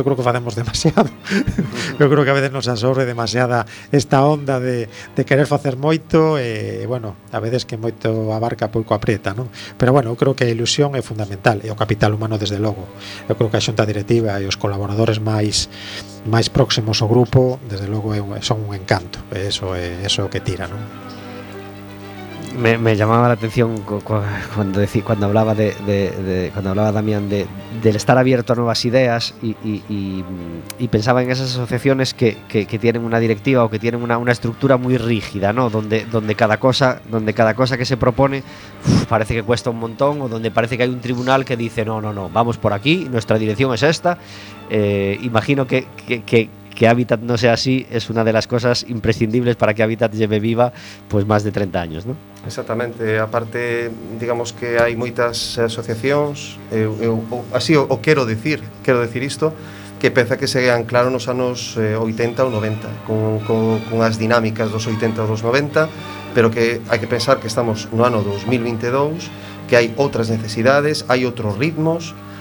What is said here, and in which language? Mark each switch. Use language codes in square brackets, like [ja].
[gl] Eu creo que facemos demasiado. Eu creo que a veces nos absorbe demasiada esta onda de querer facer moito, bueno, a veces que moito abarca pouco aprieta, ¿no? Pero bueno, eu creo que a ilusión é fundamental, e o capital humano desde logo. Eu creo que a xunta directiva e os colaboradores máis próximos ao grupo, desde logo, son un encanto. Eso é o que tira, ¿no? [es] Me llamaba la atención cuando hablaba cuando hablaba Damián del estar abierto a nuevas ideas y pensaba en esas asociaciones que tienen una directiva o que tienen una estructura muy rígida, ¿no? Donde cada cosa que se propone parece que cuesta un montón, o donde parece que hay un tribunal que dice no, vamos por aquí, nuestra dirección es esta. Imagino que Habitat no sea así, es una de las cosas imprescindibles para que Habitat lleve viva pues más de 30 años, ¿no? [gl] Exactamente, aparte, digamos que hai moitas asociacións, quero decir isto, que pensa que seguían claro nos anos 80 ou 90, con as dinámicas dos 80 ou dos 90, pero que hai que pensar que estamos no ano 2022, que hai outras necesidades, hai outros ritmos,